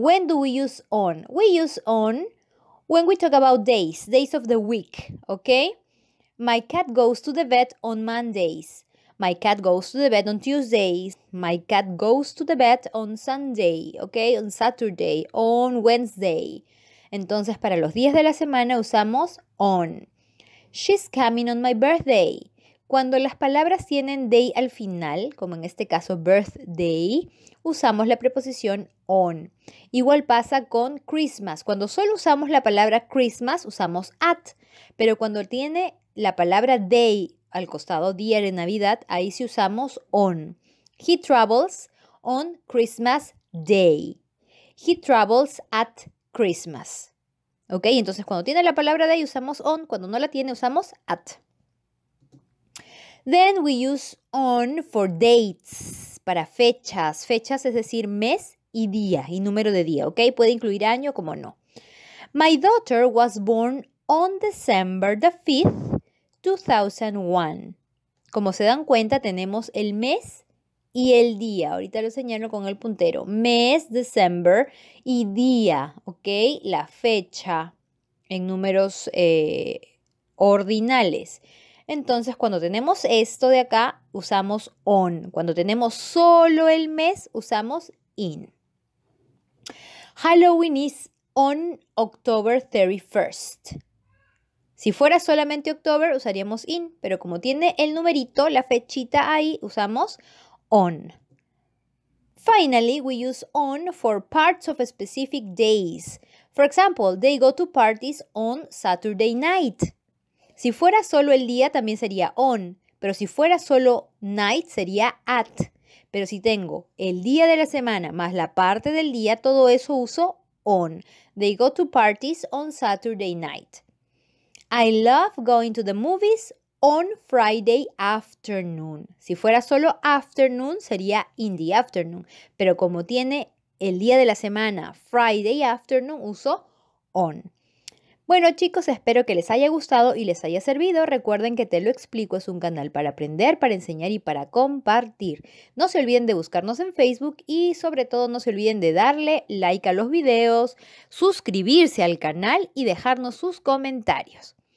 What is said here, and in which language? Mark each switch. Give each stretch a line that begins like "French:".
English: When do we use on? We use on when we talk about days, days of the week, okay? My cat goes to the vet on Mondays. My cat goes to the vet on Tuesdays. My cat goes to the vet on Sunday, okay? On Saturday, on Wednesday.
Spanish: Entonces, para los días de la semana usamos on.
English: She's coming on my birthday.
Spanish: Cuando las palabras tienen day al final, como en este caso birthday, usamos la preposición on. Igual pasa con Christmas. Cuando solo usamos la palabra Christmas, usamos at. Pero cuando tiene la palabra day al costado, día de Navidad, ahí sí usamos on.
English: He travels on Christmas Day. He travels at Christmas. ¿Ok?
Spanish: Entonces, cuando tiene la palabra day, usamos on. Cuando no la tiene, usamos at.
English: Then we use on for dates,
Spanish: para fechas. Fechas es decir mes y día y número de día, ¿ok? Puede incluir año como no.
English: My daughter was born on December the 5th, 2001.
Spanish: Como se dan cuenta, tenemos el mes y el día. Ahorita lo señalo con el puntero. Mes, December y día, ¿ok? La fecha en números ordinales. Entonces, cuando tenemos esto de acá, usamos on. Cuando tenemos solo el mes, usamos in.
English: Halloween is on October 31st.
Spanish: Si fuera solamente October, usaríamos in. Pero como tiene el numerito, la fechita ahí, usamos on.
English: Finally, we use on for parts of specific days. For example, they go to parties on Saturday night.
Spanish: Si fuera solo el día, también sería on, pero si fuera solo night, sería at. Pero si tengo el día de la semana más la parte del día, todo eso uso on.
English: They go to parties on Saturday night. I love going to the movies on Friday afternoon.
Spanish: Si fuera solo afternoon, sería in the afternoon. Pero como tiene el día de la semana Friday afternoon, uso on. Bueno chicos, espero que les haya gustado y les haya servido. Recuerden que Te Lo Explico es un canal para aprender, para enseñar y para compartir. No se olviden de buscarnos en Facebook y sobre todo no se olviden de darle like a los videos, suscribirse al canal y dejarnos sus comentarios.